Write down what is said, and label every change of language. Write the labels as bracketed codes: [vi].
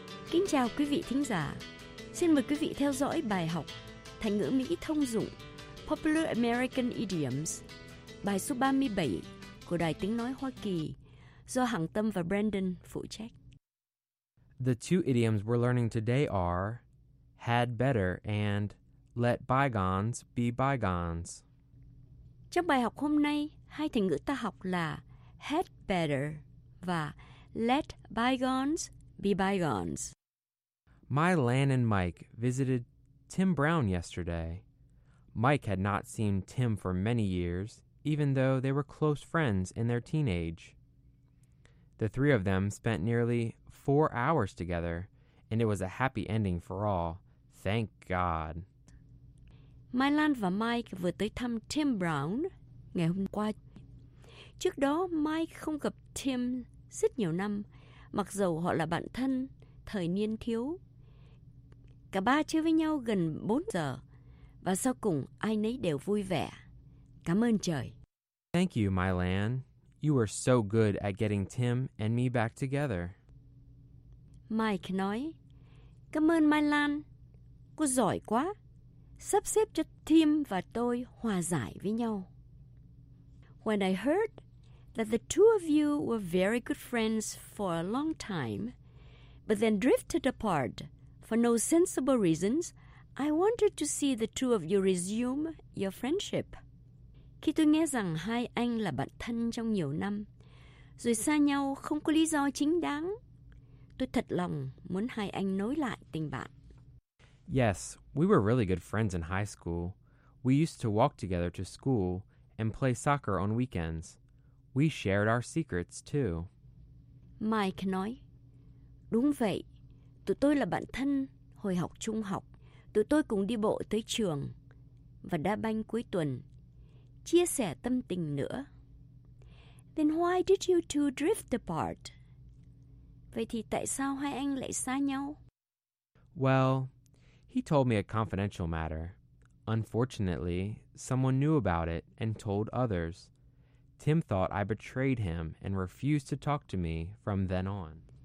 [vi] Kính chào quý vị thính giả. Xin mời quý vị theo dõi bài học Thành ngữ Mỹ thông dụng Popular American Idioms, bài số 37 của Đài Tiếng Nói Hoa Kỳ, do Hằng Tâm và Brandon phụ trách. [en] The two idioms we're learning today are had better and let bygones be bygones. [vi] Trong bài học hôm nay, hai thành ngữ ta học là had better và let bygones be bygones. [en] My Lan and Mike visited Tim Brown yesterday. Mike had not seen Tim for many years, even though they were close friends in their teenage. The three of them spent nearly 4 hours together, and it was a happy ending for all. Thank God. [vi] Mai Lan và Mike vừa tới thăm Tim Brown ngày hôm qua. Trước đó, Mike không gặp Tim rất nhiều năm, mặc dù họ là bạn thân thời niên thiếu. Cả ba chơi với nhau gần 4 giờ, và sau cùng ai nấy đều vui vẻ. Cảm ơn trời. [en] Thank you, Mai Lan. You were so good at getting Tim and me back together. [vi] Mike nói, cảm ơn Mai Lan. Cô giỏi quá. Sắp xếp cho Tim và tôi hòa giải với nhau. [en] When I heard that the two of you were very good friends for a long time, but then drifted apart for no sensible reasons, I wanted to see the two of you resume your friendship. [vi] Khi tôi nghe rằng hai anh là bạn thân trong nhiều năm, rồi xa nhau không có lý do chính đáng, tôi thật lòng muốn hai anh nối lại tình bạn. [en] Yes, we were really good friends in high school. We used to walk together to school and play soccer on weekends. We shared our secrets too. [vi] Mike nói, đúng vậy, tụi tôi là bạn thân hồi học trung học. Tụi tôi cùng đi bộ tới trường và đá banh cuối tuần, chia sẻ tâm tình nữa. [en] Then why did you two drift apart? [vi] Vậy thì tại sao hai anh lại xa nhau? [en] Well, he told me a confidential matter. Unfortunately, someone knew about it and told others. Tim thought I betrayed him and refused to talk to me from then on.